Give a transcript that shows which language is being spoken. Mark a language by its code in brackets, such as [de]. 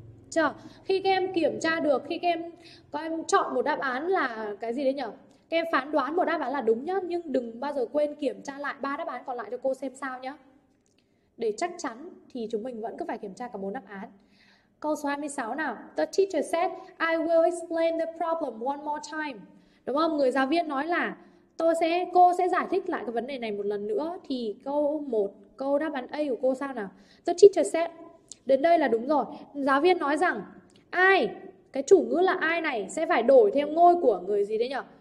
[vi] Chờ, khi các em kiểm tra được, khi các em có em chọn một đáp án là cái gì đấy nhở? Các em phán đoán một đáp án là đúng nhá, nhưng đừng bao giờ quên kiểm tra lại ba đáp án còn lại cho cô xem sao nhá. Để chắc chắn thì chúng mình vẫn cứ phải kiểm tra cả bốn đáp án. Câu số 26 nào. [en] The teacher said, I will explain the problem one more time. [vi] Đúng không? Người giáo viên nói là cô sẽ giải thích lại cái vấn đề này một lần nữa. Thì câu đáp án A của cô sao nào? [en] The teacher said, [vi] đến đây là đúng rồi. Giáo viên nói rằng ai, cái chủ ngữ là ai này sẽ phải đổi theo ngôi của người gì đấy nhỉ?